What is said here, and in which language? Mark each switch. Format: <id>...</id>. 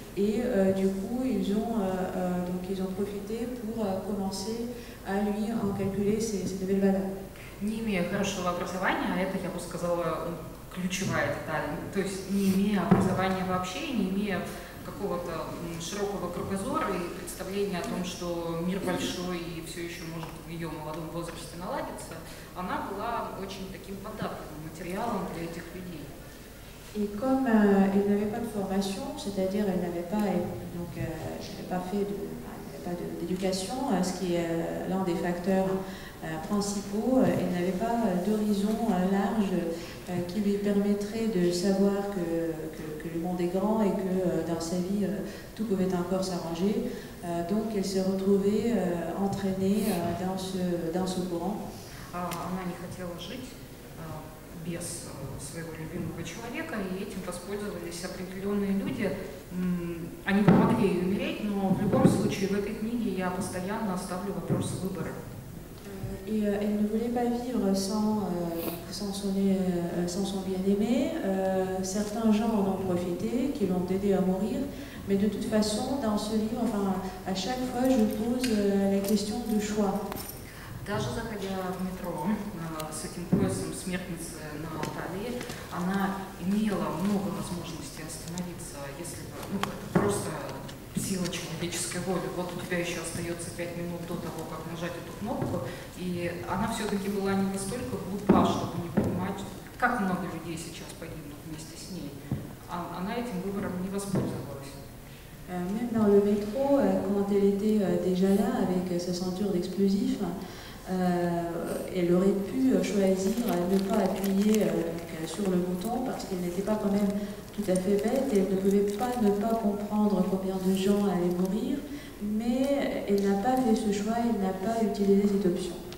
<fr>Et du coup, ils ont profité pour commencer à lui en calculer ses nouvelles valeurs.</fr> <ru>Не имея хорошего образования, а это, я бы сказала, ключевая деталь, то есть не имея образования вообще, не имея какого-то широкого кругозора и представления о том, что мир большой и все еще может в ее молодом возрасте наладиться, она была очень таким податливым материалом для этих людей.</ru> <fr>Et comme elle n'avait pas de formation, c'est-à-dire elle n'avait pas, donc, elle n'avait pas d'éducation, ce qui est l'un des facteurs principaux, elle n'avait pas d'horizon large qui lui permettrait de savoir que le monde est grand et que dans sa vie tout pouvait encore s'arranger. Donc elle s'est retrouvée entraînée dans ce courant.</fr> <ru>Она не хотела жить без своего любимого человека, и этим воспользовались определенные люди. Они помогли ей умереть, но в любом случае в этой книге я постоянно ставлю вопрос выбора.</ru> <fr>И elle ne voulait pas vivre sans son bien-aimé. Certains gens en ont profité, qui l'ont aidé à mourir. Mais de toute façon, dans ce livre, enfin, à chaque fois, je pose la question du choix.</fr> <ru>Даже заходя в метро с этим поясом смертницы на талии, она имела много возможностей остановиться, если бы, ну, это просто сила человеческой воли. Вот у тебя еще остается 5 минут до того, как нажать эту кнопку. И она все-таки была не настолько глупа, чтобы не понимать, как много людей сейчас погибнут вместе с ней. Она этим выбором не воспользовалась.</ru> <fr>Même dans le métro, quand elle était déjà là avec sa ceinture d'explosif, elle aurait pu choisir de ne pas appuyer sur le bouton parce qu'elle n'était pas quand même tout à fait bête et elle ne pouvait pas ne pas comprendre combien de gens allaient mourir, mais elle n'a pas fait ce choix, elle n'a pas utilisé cette option.</fr>